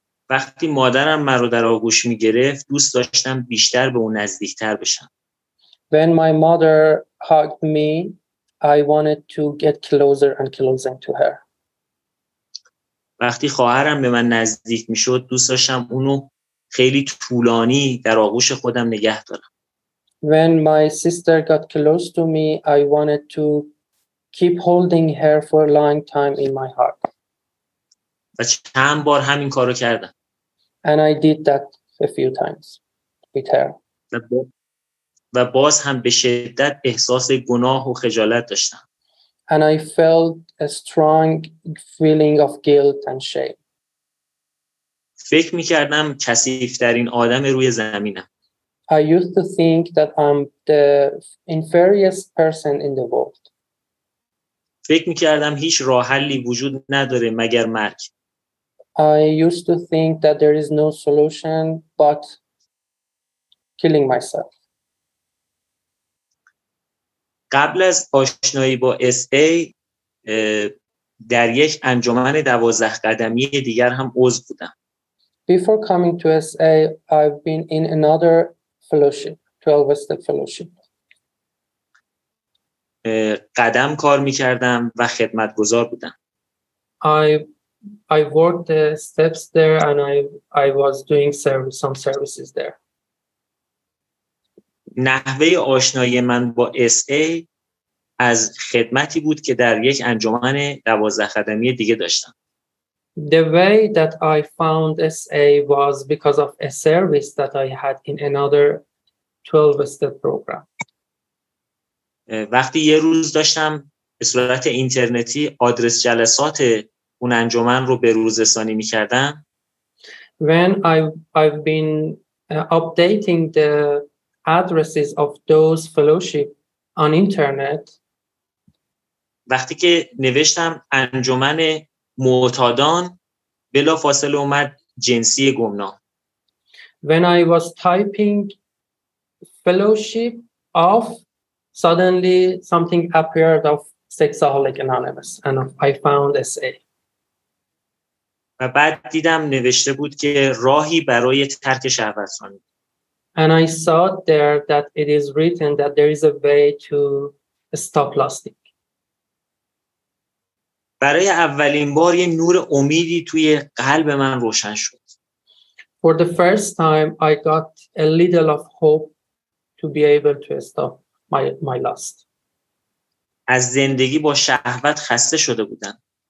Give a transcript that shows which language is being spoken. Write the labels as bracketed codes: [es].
[fa] وقتی مادرم مرا در آغوش می‌گرفت، دوست داشتم بیشتر به او نزدیک‌تر بشم. [en] When my mother hugged me, I wanted to get closer and closer to her. [fa] وقتی خواهرم به من نزدیک می‌شد، دوست داشتم اونو خیلی طولانی در آغوش خودم نگه دارم. [en] When my sister got close to me, I wanted to keep holding her for a long time in my heart. [fa] و چند بار همین کارو کردم. [en] And I did that a few times with her. [fa] و باز هم به شدت احساس گناه و خجالت داشتم. [en] And I felt a strong feeling of guilt and shame. [fa] فکر می‌کردم کثیف‌ترین آدم روی زمینم. [en] I used to think that I'm the inferior person in the world. [fa] فکر می‌کردم هیچ راه حلی وجود نداره مگر مرگ. [en] I used to think that there is no solution but killing myself. [fa] قبل از آشنایی با SA در یک انجمن 12 قدمی دیگر هم عضو بودم. [en] Before coming to SA, I've been in another fellowship, 12-step fellowship. [fa] قدم کار می‌کردم و خدمتگزار بودم. [en] I worked the steps there and I was doing some services there. [fa] نحوه آشنایی من با SA از خدمتی بود که در یک انجمن 12 قدمی دیگه داشتم. [en] The way that I found SA was because of a service that I had in another 12-step program. [fa] وقتی یه روز داشتم به صورت اینترنتی آدرس جلسات اون انجمن رو به روز رسانی می‌کردم. [en] When I've been updating the addresses of those fellowship on internet. [fa] وقتی که نوشتم انجمن معتادان بلا فاصله اومد جنسی گمنام. [en] When I was typing fellowship of, suddenly something appeared of Sexaholic Anonymous and I found SA. [fa] و بعد دیدم نوشته بود که راهی برای ترک شهوت‌خواری. [en] And I saw there that it is written that there is a way to stop lusting. [fa] برای اولین بار یه نور امیدی توی قلب من روشن شد. [en] For the first time I got a little of hope to be able to stop my lust. [fa] از زندگی با شهوت خسته شده بودم.